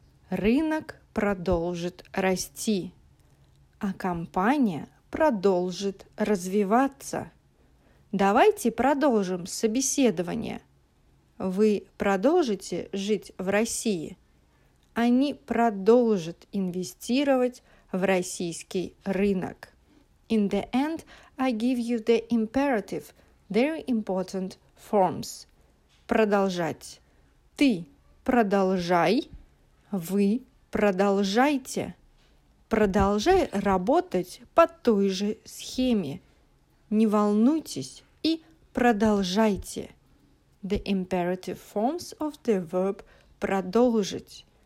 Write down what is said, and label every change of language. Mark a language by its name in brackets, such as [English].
[Russian] Рынок продолжит расти, а компания продолжит развиваться. Давайте продолжим собеседование. Вы продолжите жить в России? Они продолжат инвестировать в российский рынок. [English] In the end, I give you the imperative, very important forms. [Russian] Продолжать. Ты продолжай, вы продолжайте. Продолжай работать по той же схеме. Не волнуйтесь и продолжайте. [English] The imperative forms of the verb продолжить.